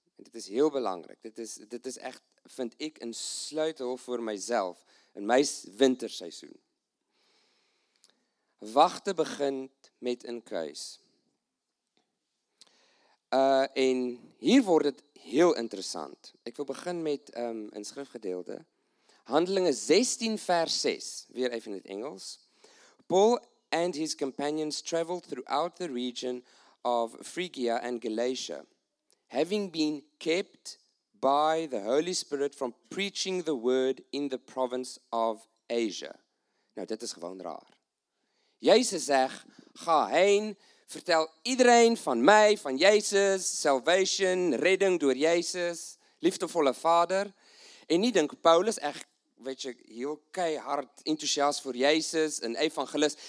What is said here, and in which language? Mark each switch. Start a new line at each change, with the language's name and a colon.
Dutch: Dit is heel belangrijk. Dit is echt, vind ik, een sleutel voor mijzelf in mijn winterseizoen. Wachten begint met een keus. En hier wordt het heel interessant. Ik wil beginnen met een schriftgedeelte. Handelingen 16 vers 6, weer even in het Engels.
English: Paul and his companions traveled throughout the region of Phrygia and Galatia, having been kept by the Holy Spirit from preaching the word in the province of Asia.
Dutch: Nou, dit is gewoon raar. Jezus zegt, ga heen, vertel iedereen van mij, van Jezus, salvation, redding door Jezus, liefdevolle Vader. En niet denk Paulus, echt, weet je, heel keihard enthousiast voor Jezus, een evangelist.